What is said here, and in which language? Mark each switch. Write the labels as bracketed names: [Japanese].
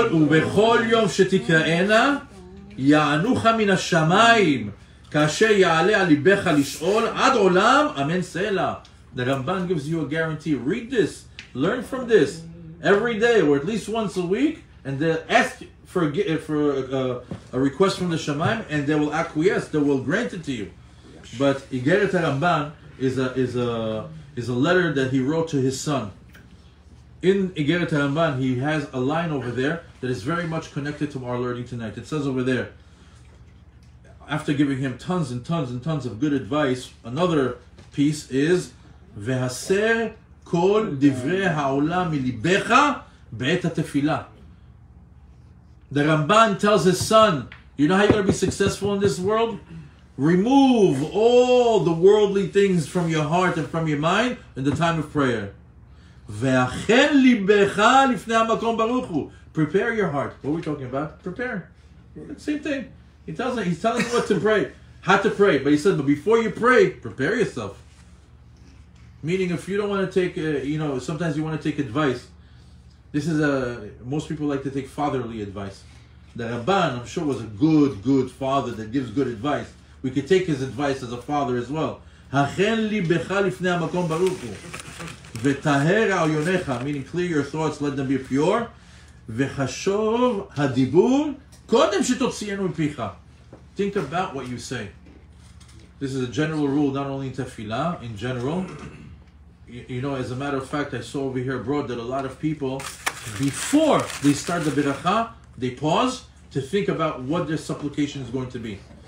[Hebrew] ובכל יום שתקראנה יענוך מן השמיים כאשר יעלה על ליבך לשאול עד עולם אמן סלע. [English] The Ramban gives you a guarantee. Read this, learn from this every day or at least once a week, and they ask for a request from the Shamayim, and they will acquiesce, they will grant it to you. But Igeret HaRamban is a letter that he wrote to his son. In Igeret HaRamban, he has a line over there that is very much connected to our learning tonight. It says over there, after giving him tons and tons and tons of good advice, another piece is, [Hebrew] "Vehaser kol divrei ha'ola milibecha ba'et ha'tefila." [English] The Ramban tells his son, you know how you're going to be successful in this world? Remove all the worldly things from your heart and from your mind in the time of prayer. [Hebrew] ואכן ליבך לפני המקום ברוך הוא. [English] Prepare your heart. What are we talking about? Prepare. Same thing. He tells us what to pray. How to pray. But he said, but before you pray, prepare yourself. Meaning if you don't want to take, sometimes you want to take advice. This is most people like to take fatherly advice. The Rabban, I'm sure, was a good, good father that gives good advice. We could take his advice as a father as well. [Hebrew] הכן ליבך לפני המקום ברוך הוא. וטהר עיוניך, [English] meaning clear your thoughts, let them be pure. [Hebrew] וחשוב הדיבור קודם שתוציאנו מפיך. [English] Think about what you say. This is a general rule, not only in tefillah, in general. As a matter of fact, I saw over here abroad that a lot of people, before they start the beracha, they pause to think about what their supplication is going to be.